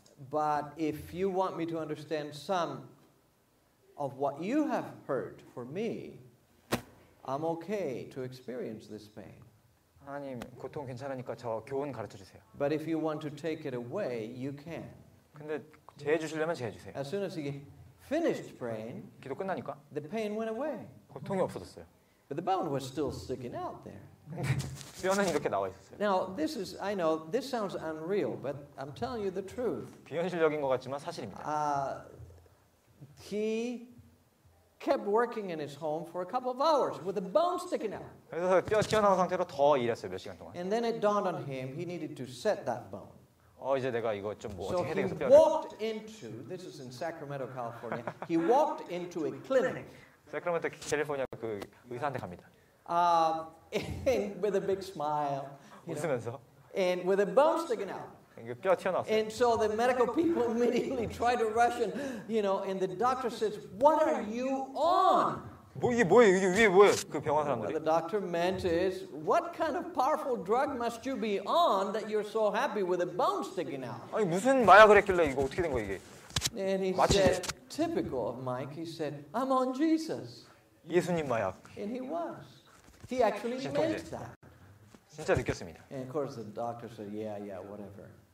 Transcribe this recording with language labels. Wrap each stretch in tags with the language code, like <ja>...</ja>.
<en>But if you want me to understand some of what you have heard for me, I'm okay to experience this pain.</en> <ko>하나님, 고통 괜찮으니까 저 교훈 가르쳐 주세요.</ko> <en>But if you want to take it away, you can.</en> <ko>근데 제해 주시려면 제해 주세요.</ko> <en>As soon as he finished praying,</en> <ko>기도 끝나니까</ko> <en>the pain went away.</en> <ko>고통이 없어졌어요.</ko> <en>But the bone was still sticking out there.</en> <ko>뼈는 이렇게 나와 있었어요.</ko> <en>Now this is, I know, this sounds unreal, but I'm telling you the truth.</en> <ko>비현실적인 것 같지만 사실입니다.</ko> <en>He kept working in his home for a couple of hours with a bone sticking out.</en> <ko>그래서 뼈 튀어나온 상태로 더 일했어요 몇 시간 동안.</ko> <en>And then it dawned on him he needed to set that bone.</en> <ko>이제 내가 이거 좀 뭐 어떻게 해야 되겠어 뼈를.</ko> <en>So he walked into this is in Sacramento, California. He walked into a clinic.</en> <ko>사크라멘토 캘리포니아 그 의사한테 갑니다.</ko> <en>And with a big smile.</en> <ko>웃으면서.</ko> <en>And with a bone sticking out.</en> <ko>이게 뼈 튀어나왔어요.</ko> <en>And so the medical people immediately tried to rush in, you know, and the doctor says, "What are you on?"</en> <ko>이게 뭐야? 그 병원 사람들이.</ko> <en>What the doctor meant is, "What kind of powerful drug must you be on that you're so happy with a bone sticking out?"</en> <ko>아니 무슨 마약을 했길래 이거 어떻게 된 거야 이게?</ko> <en>And he said, typical of Mike, he said, "I'm on Jesus."</en> <ko>예수님 마약.</ko> <en>And he was. He actually meant that.</en> <ko>진짜 느꼈습니다.</ko> <en>And of course the doctor said, yeah, whatever.</en>